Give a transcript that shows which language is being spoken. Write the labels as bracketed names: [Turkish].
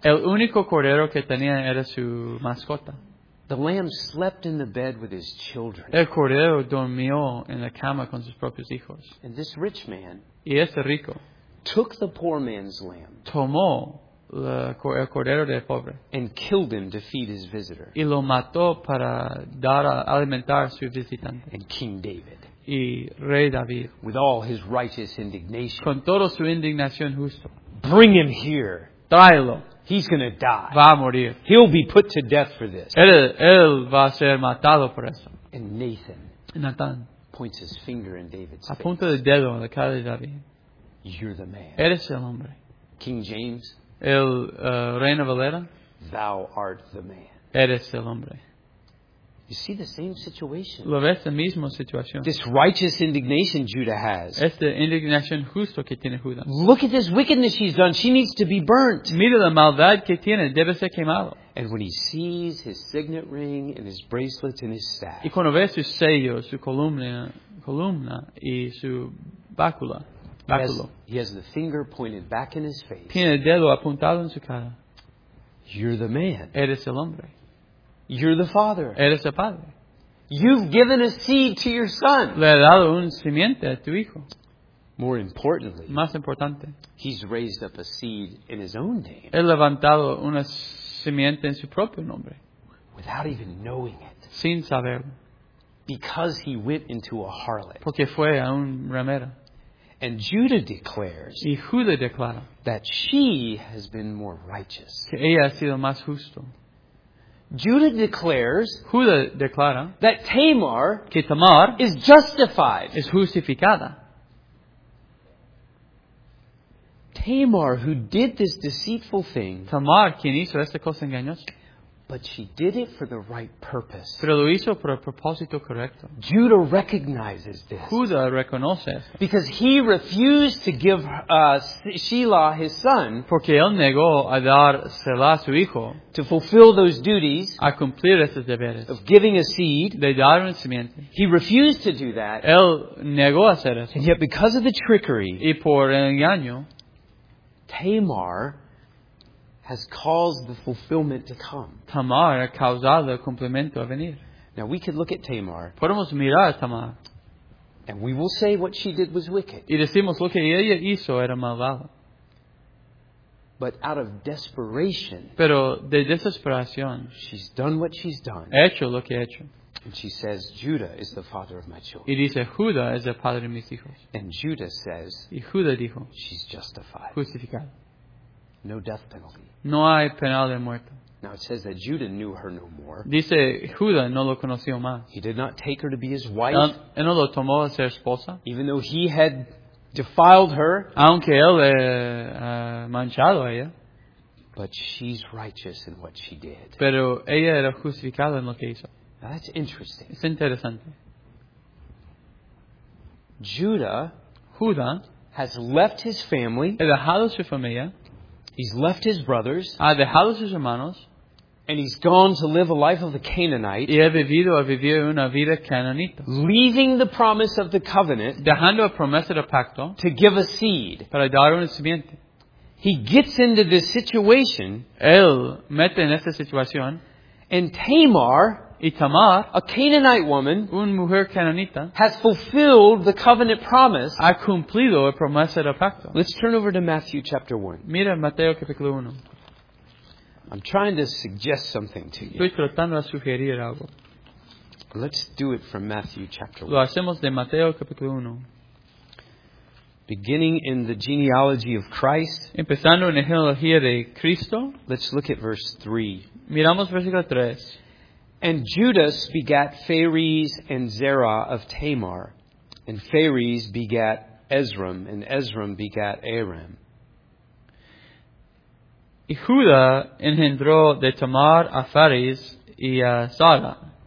[Spanish] El único cordero que tenía era su mascota. [English] The lamb slept in the bed with his children. [Spanish] El cordero dormió en la cama con sus propios hijos. [English] And this rich man, [Spanish] y ese rico, [English] took the poor man's lamb. [Spanish] Tomó el cordero del pobre. [English] And killed him to feed his visitor. [Spanish] Y lo mató para dar a alimentar a su visitante. [English] And King David. [Spanish] Y Rey David. [English] With all his righteous indignation. [Spanish] Con toda su indignación justa. [English] Bring him here. [Spanish] Tráelo. [English] He's going to die. [Spanish] Va a morir. [English] He'll be put to death for this. [Spanish] Él va a ser matado por eso. [English] And Nathan. [Spanish] Nathan. [English] Points his finger in David's face. [Spanish] Apunta el dedo en la cara de David. [English] You're the man. [Spanish] Eres el hombre. [English] King James. [Spanish] Reina Valera. [English] Thou art the man. [Spanish] Eres el hombre. [English] You see the same situation. [Spanish] Lo ves la misma situación. [English] This righteous indignation Judah has. [Spanish] Esta indignación justo que tiene Judá. [English] Look at this wickedness she's done. She needs to be burnt. [Spanish] Mira la maldad que tiene. Debe ser quemado. [English] And when he sees his signet ring and his bracelets and his staff. [Spanish] Y cuando ve su sello, su columna y su báculo. [English] He has the finger pointed back in his face. [Spanish] Tiene el dedo apuntado en su cara. [English] You're the man. [Spanish] Eres el hombre. [English] You're the father. [Spanish] Eres el padre. [English] You've given a seed to your son. [Spanish] Le ha dado un simiente a tu hijo. [English] More importantly, [Spanish] más importante, [English] he's raised up a seed in his own name. [Spanish] He levantado una simiente en su propio nombre. [English] Without even knowing it. [Spanish] Sin saberlo. [English] Because he went into a harlot. [Spanish] Porque fue a un ramera. [English] And Judah declares, [Spanish] y Judá declara, [English] that she has been more righteous. [Spanish] Que ella ha sido más justo. [English] Judah declares, [Spanish] Judá declara, [English] that Tamar, [Spanish] que Tamar [English] is justified. [Spanish] Es justificada. [English] Tamar, who did this deceitful thing, [Spanish] Tamar, quien hizo esta cosa engañosa, [English] But she did it for the right purpose. [Spanish] Pero lo hizo por el propósito correcto. [English] Judah recognizes this. [Spanish] Judah reconoce esto. [English] Because he refused to give Shelah his son. [Spanish] Porque él negó a dar Selah su hijo. [English] To fulfill those duties. [Spanish] A cumplir esos deberes. [English] Of giving a seed. [Spanish] De dar un simiente. [English] He refused to do that. [Spanish] Él negó hacer eso. [English] And yet because of the trickery. [Spanish] Y por el engaño. [English] Tamar has caused the fulfillment to come. [Spanish] Tamar ha causado el cumplimiento a venir. [English] Now we could look at Tamar. [Spanish] Podemos mirar a Tamar. [English] And we will say what she did was wicked. [Spanish] Y decimos lo que ella hizo era malvado. [English] But out of desperation. [Spanish] Pero de desesperación. [English] She's done what she's done. [Spanish] Hecho lo que ha hecho. [English] And she says, Judah is the father of my children. [Spanish] Y dice, Judah es el padre de mis hijos. [English] And Judah says. [Spanish] Y Judah dijo. [English] She's justified. [Spanish] Justificada. [English] No death penalty. [Spanish] No hay penal de muerte. [English] Now it says that Judah knew her no more. [Spanish] Dice Judah no lo conoció más. [English] He did not take her to be his wife. [Spanish] Él no lo tomó a ser esposa. [English] Even though he had defiled her. [Spanish] Aunque él manchado a ella. [English] But she's righteous in what she did. [Spanish] Pero ella era justificada en lo que hizo. [English] Now that's interesting. [Spanish] Es interesante. [English] Judah has left his family. [Spanish] Ha dejado su familia. [English] He's left his brothers. [Spanish] Ha dejado sus hermanos. [English] And he's gone to live a life of the Canaanite. [Spanish] Y ha vivido a vivir una vida cananita. [English] Leaving the promise of the covenant. [Spanish] Dejando la promesa del pacto. [English] To give a seed. [Spanish] Para dar una simiente. [English] He gets into this situation. [Spanish] Él mete en esta situación. [English] And Tamar. [Spanish] Y Tamar, [English] a Canaanite woman, [Spanish] un mujer cananita, [English] has fulfilled the covenant promise. [Spanish] Ha cumplido la promesa del pacto. [English] Let's turn over to Matthew chapter 1. [Spanish] Mira Mateo capítulo 1. [English] I'm trying to suggest something to you. [Spanish] Estoy tratando de sugerir algo. [English] Let's do it from Matthew chapter 1. [Spanish] Lo hacemos de Mateo capítulo 1. [English] Beginning in the genealogy of Christ. [Spanish] Empezando en la genealogía de Cristo. [English] Let's look at verse 3. [Spanish] Miramos versículo 3. [English] And Judas begat Phares and Zerah of Tamar, and Phares begat Esrom, and Esrom begat Aram. [Spanish] Y Judah engendró de Tamar a Phares y a Zara.